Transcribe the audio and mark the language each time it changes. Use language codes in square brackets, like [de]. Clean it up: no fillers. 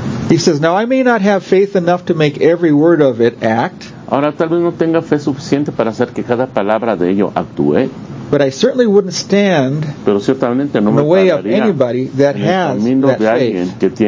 [en] He says, now I may not have faith enough to make every word of it act. [es] Ahora tal vez no tenga fe suficiente para hacer que cada palabra de ello actúe. [en] But I certainly wouldn't stand in the way of anybody that has that faith.